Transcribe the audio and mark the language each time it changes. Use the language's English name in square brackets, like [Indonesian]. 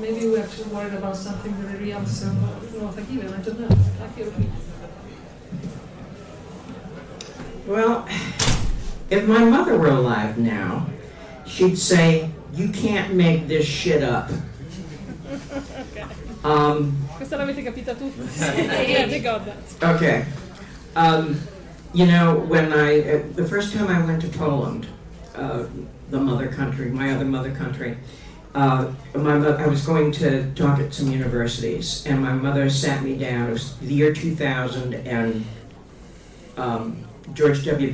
[English] Maybe we are too worried about something very real, so not a given, I don't know. Like your opinion. Well, if my mother were alive now, she'd say, you can't make this shit up. [Italian] Questa l'avete capita tutti. [English] Yeah, they got that. Okay. You know, when I, the first time I went to Poland, the mother country, my other mother country, I was going to talk at some universities, and my mother sat me down. It was the year 2000, and... George W.